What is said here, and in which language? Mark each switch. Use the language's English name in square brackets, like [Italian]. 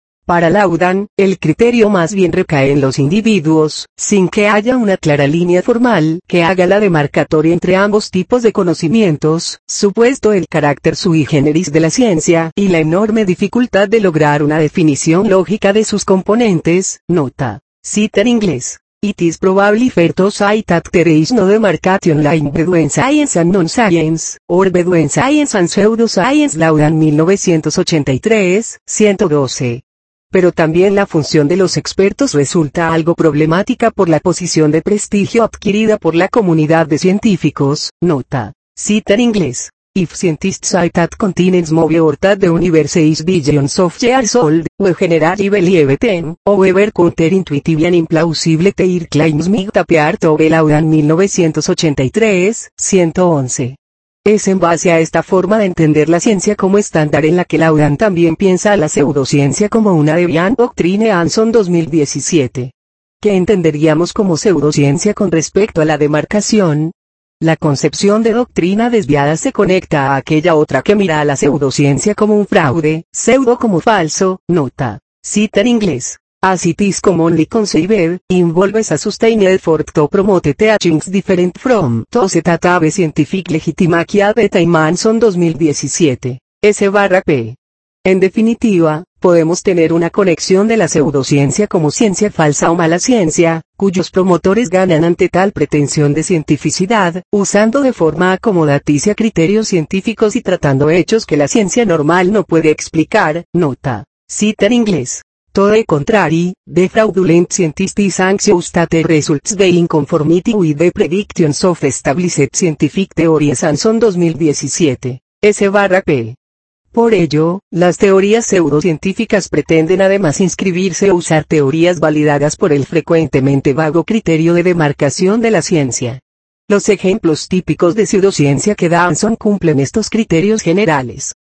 [Spanish] Para Laudan, el criterio más bien recae en los individuos, sin que haya una clara línea formal que haga la demarcatoria entre ambos tipos de conocimientos, supuesto el carácter sui generis de la ciencia y la enorme dificultad de lograr una definición lógica de sus componentes. Nota. Cita en inglés. [English] It is probably fair to say that there is no demarcation line between science and non-science, or between science and pseudoscience. [Spanish] Laudan 1983, 112. Pero también la función de los expertos resulta algo problemática por la posición de prestigio adquirida por la comunidad de científicos. Nota. Cita en inglés. [English] If scientists say that continents move or that the universe is billions of years old, we generally believe them, however counterintuitive and implausible their claims may appear to be. [Spanish] Laudan 1983, 111. Es en base a esta forma de entender la ciencia como estándar en la que Laudan también piensa a la pseudociencia como una [English] deviant doctrine. [Spanish] Anson 2017. ¿Qué entenderíamos como pseudociencia con respecto a la demarcación? La concepción de doctrina desviada se conecta a aquella otra que mira a la pseudociencia como un fraude, pseudo como falso. Nota. Cita en inglés. [English] As it is commonly conceived, involves a sustained effort to promote teachings different from those that have scientific legitimacy at the time. [Spanish] Anson 2017. S/P. En definitiva, podemos tener una conexión de la pseudociencia como ciencia falsa o mala ciencia, cuyos promotores ganan ante tal pretensión de cientificidad, usando de forma acomodaticia criterios científicos y tratando hechos que la ciencia normal no puede explicar. Nota. Cita en inglés. [English] To the contrary, the fraudulent scientist is anxious that the results be in conformity with the predictions of established scientific theories. [Spanish] Anson 2017. S/P. Por ello, las teorías pseudocientíficas pretenden además inscribirse o usar teorías validadas por el frecuentemente vago criterio de demarcación de la ciencia. Los ejemplos típicos de pseudociencia que da Anson cumplen estos criterios generales.